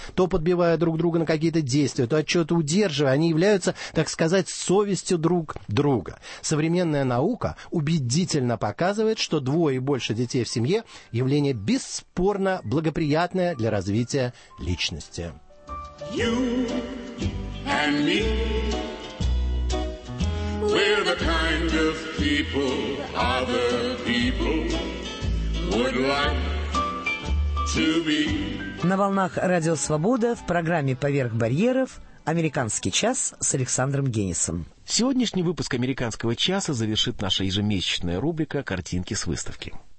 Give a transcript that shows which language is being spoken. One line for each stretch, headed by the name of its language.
Russian: То подбивая друг друга на какие-то действия, то отчеты удерживая, они являются, так сказать, совестью друг друга. Современная наука убедительно показывает, что двое и больше детей в семье – явление бесспорно благоприятное для развития личности.
English: You and me, we're the kind of people other people would like to be.
Russian: На волнах Радио Свобода в программе «Поверх барьеров» «Американский час» с Александром Генисом. Сегодняшний выпуск «Американского часа» завершит наша ежемесячная рубрика «Картинки с выставки».